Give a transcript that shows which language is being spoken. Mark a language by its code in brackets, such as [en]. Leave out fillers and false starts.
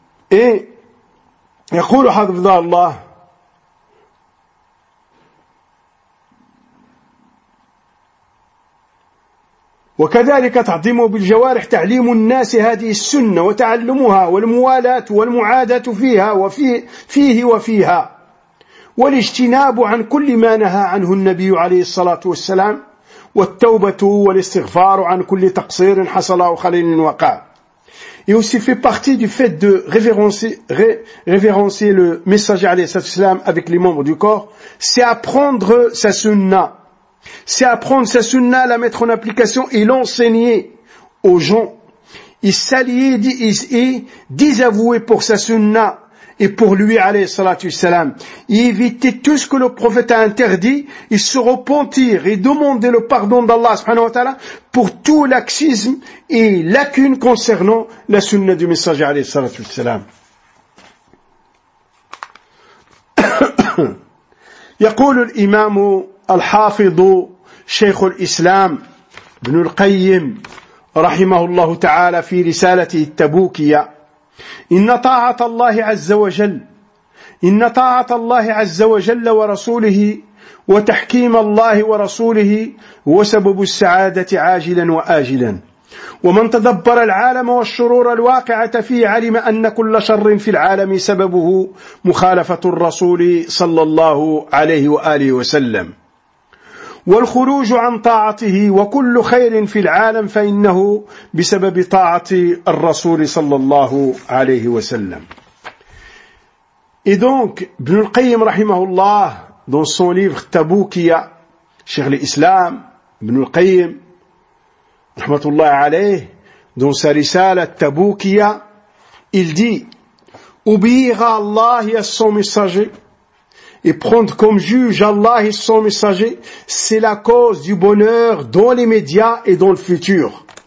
[ar] Et يقول حفظه الله وكذلك تعظيمه بالجوارح تعليم الناس هذه السنة وتعلمها والموالاة والمعاداة فيها وفيه وفيها والاجتناب عن كل ما نهى عنه النبي عليه الصلاة والسلام والتوبة والاستغفار عن كل تقصير حصل أو خلل وقع. [fr] Et aussi fait partie du fait de révérencier le messager [ar] عليه الصلاة والسلام [fr] avec les membres du corps, c'est apprendre sa sunna. C'est apprendre sa sunna, la mettre en application et l'enseigner aux gens. Et s'allier et désavouer pour sa sunna. Et pour lui, alayhi salatu wasalam, éviter tout ce que le prophète a interdit, et se repentir et demander le pardon d'Allah subhanahu wa ta'ala pour tout laxisme et lacune concernant la sunna du messager alayhi salatu wasalam. [ar] يقول الإمام الحافظ شيخ الإسلام ابن القيم رحمه الله تعالى في رسالته التبوكية إن طاعة الله عز وجل إن طاعة الله عز وجل ورسوله وتحكيم الله ورسوله هو سبب السعادة عاجلا وآجلا ومن تدبر العالم والشرور الواقعة فيه علم أن كل شر في العالم سببه مخالفة الرسول صلى الله عليه وآله وسلم والخروج عن طاعته وكل خير في العالم فإنه بسبب طاعة الرسول صلى الله عليه وسلم. [fr] Et donc, Ibn al-Qayyim rahimahullah, dans son livre Tabukiya, Cheikh l'Islam, Ibn al-Qayyim, rahmatullah alayh, dans sa risale Tabukiya, il dit, obéir à Allah et à son messager, et prendre comme juge Allah et son messager, c'est la cause du bonheur dans l'immédiat et dans le futur.